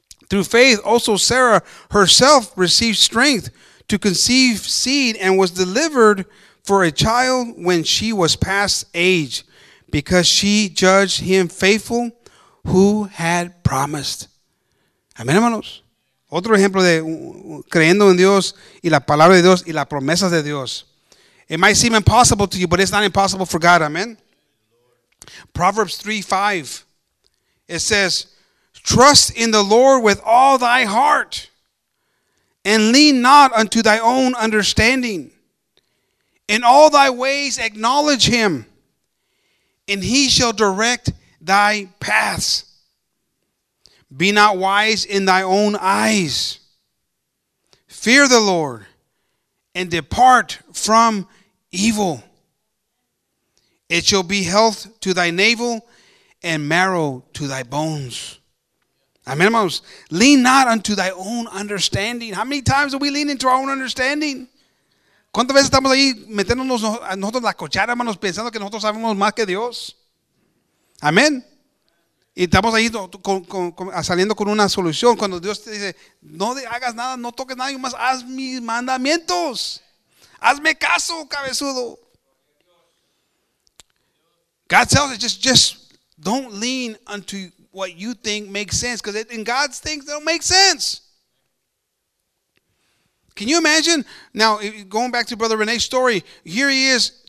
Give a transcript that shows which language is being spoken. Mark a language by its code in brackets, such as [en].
[en] Through faith, also Sarah herself received strength to conceive seed and was delivered for a child when she was past age, because she judged him faithful who had promised. [es] Amén, hermanos. Otro ejemplo de creyendo en Dios y la palabra de Dios y las promesas de Dios. [en] It might seem impossible to you, but it's not impossible for God. Amen. Proverbs 3:5. It says, trust in the Lord with all thy heart and lean not unto thy own understanding. In all thy ways acknowledge him, and he shall direct thy paths. Be not wise in thy own eyes. Fear the Lord and depart from evil. It shall be health to thy navel and marrow to thy bones. Amen, hermanos. Lean not unto thy own understanding. How many times do we lean into our own understanding? [es] ¿Cuántas veces estamos ahí metiéndonos a nosotros la cochara, hermanos, pensando que nosotros sabemos más que Dios? Amén. Y estamos ahí saliendo con una solución. Cuando Dios te dice, no hagas nada, no toques nada, más haz mis mandamientos. Hazme caso, cabezudo. [en] God tells us, just don't lean unto what you think makes sense, because in God's things, they don't make sense. Can you imagine? Now, going back to Brother Renee's story, here he is.